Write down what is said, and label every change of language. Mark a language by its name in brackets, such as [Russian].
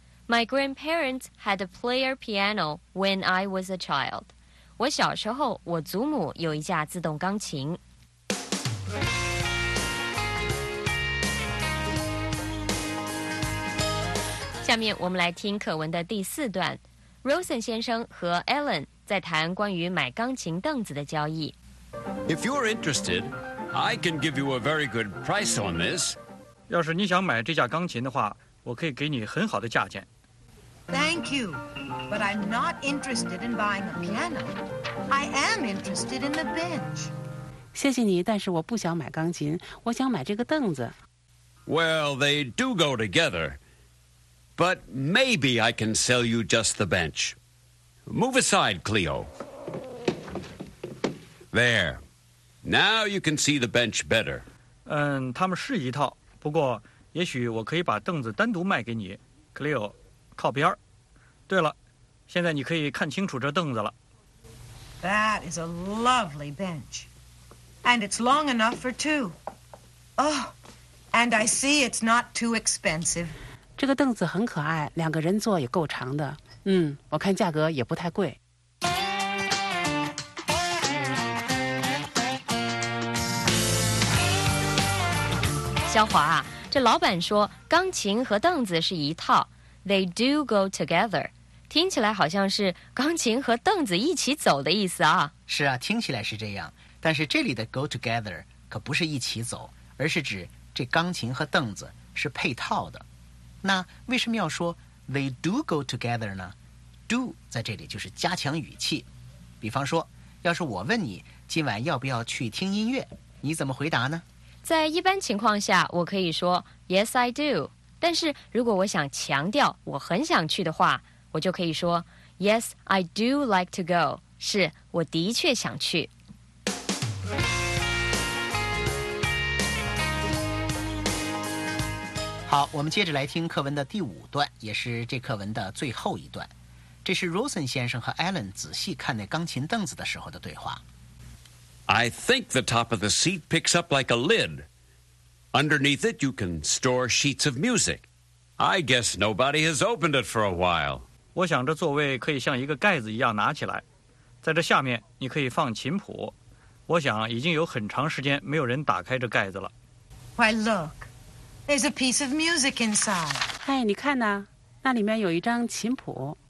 [English] My grandparents had a player piano when I was a child. [Chinese] 我小时候，我祖母有一架自动钢琴。下面我们来听课文的第四段。Rosen 先生和 Alan 在谈关于买钢琴凳子的交易。 [English] If you're interested, I can give you a very good price on this. [Chinese] 要是你想买这架钢琴的话，我可以给你很好的价钱。 [English] Thank you, but I'm not interested in buying a piano. I am interested in the bench. [Chinese] 谢谢你，但是我不想买钢琴，我想买这个凳子。 [English] Well, they do go together, but maybe I can sell you just the bench. Move aside, Cleo. There. Now you can see the bench better. [Chinese] 他们是一套，不过也许我可以把凳子单独卖给你，克利欧，靠边儿。对了，现在你可以看清楚这凳子了。 [English] That is a lovely bench. And it's long enough for two. Oh, and I see it's not too expensive. [Chinese] 这个凳子很可爱，两个人坐也够长的。嗯，我看价格也不太贵。小华啊，这老板说钢琴和凳子是一套， [English] They do go together， [Chinese] 听起来好像是钢琴和凳子一起走的意思啊。是啊，听起来是这样，但是这里的 [English] go together [Chinese] 可不是一起走，而是指这钢琴和凳子是配套的。那为什么要说 [English] They do go together [Chinese] 呢？ Do 在这里就是加强语气。比方说，要是我问你今晚要不要去听音乐，你怎么回答呢？在一般情况下我可以说 [English] Yes, I do， [Chinese] 但是如果我想强调我很想去的话，我就可以说 [English] Yes, I do like to go， [Chinese] 是我的确想去。好，我们接着来听课文的第五段，也是这课文的最后一段。这是 Rosen 先生和 Alan 仔细看那钢琴凳子的时候的对话。 [English] I think the top of the seat picks up like a lid. Underneath it, you can store sheets of music. I guess nobody has opened it for a while. [Chinese] 我想这座位可以像一个盖子一样拿起来，在这下面你可以放琴谱。我想已经有很长时间没有人打开这盖子了。 [English] Why look? There's a piece of music inside. [Chinese] 哎，你看呐，那里面有一张琴谱。